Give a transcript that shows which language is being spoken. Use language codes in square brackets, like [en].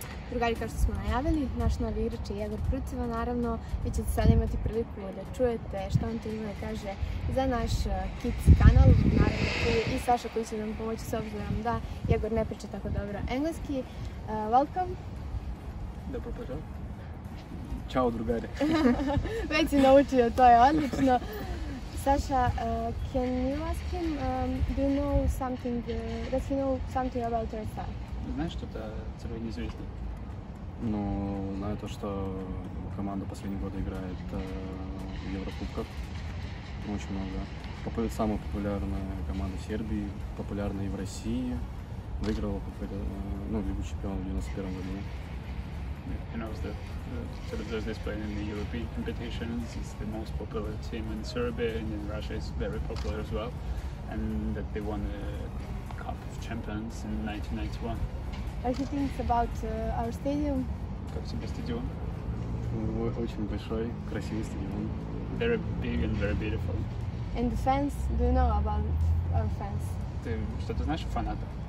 [sr] Drugari, kao što smo najavili, naš novi igrač je Jegor Prucev. Naravno, vi ćete sad imati priliku da čujete što on to ima da kaže za naš kids kanal. Naravno, tu je i Saša koji će nam pomoći s obzirom da Jegor ne priča tako dobro engleski. Welcome. Dobro pođao. Ćao, drugari. Već si naučio, to je odlično. [en] Sasha, can you ask him, do you know something, does he know something about Rusa? [ru] Знаешь, что-то Crvena zvezda? No, Знаю то, что команда последние годы играет в Еврокубках. Очень много. Самая популярная команда в Сербии, популярная и в России. Выиграла Лигу чемпионов в 91 году. [en] And I was the Zvezdi playing in the European competitions. It's the most popular team in Serbia, and in Russia it's very popular as well. And that they won the Cup of Champions in 1991. What do you think about our stadium? [ru] Как тебе стадион? Очень большой, красивый стадион. [en] Very big and very beautiful. And the fans? Do you know about our fans? [ru] Ты что-то знаешь о фанатах?